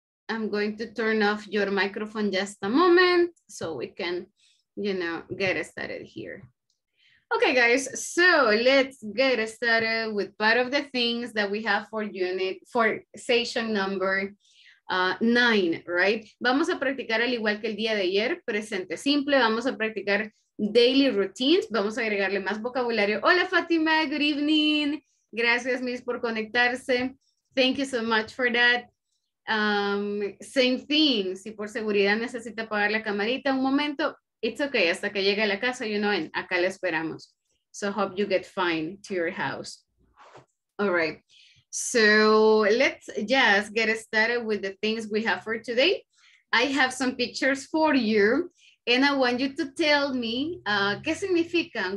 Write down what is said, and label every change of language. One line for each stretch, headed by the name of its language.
English: I'm going to turn off your microphone just a moment so we can, you know, get started here. Okay, guys, so let's get started with part of the things that we have for unit, for session number 9, right?
Spanish: Vamos a practicar al igual que el día de ayer, presente simple. Vamos a practicar daily routines. Vamos a agregarle más vocabulario. Hola, Fátima,
English: good evening.
Spanish: Gracias, Miss, por conectarse.
English: Thank you so much for that. Same thing.
Spanish: Si por seguridad necesita apagar la camarita, un momento.
English: It's okay,
Spanish: hasta que llegue a la casa,
English: you know, and
Spanish: acá le esperamos.
English: So hope you get fine to your house. All right, so let's just get started with the things we have for today. I have some pictures for you, and I want you to tell me,
Spanish: ¿qué significan?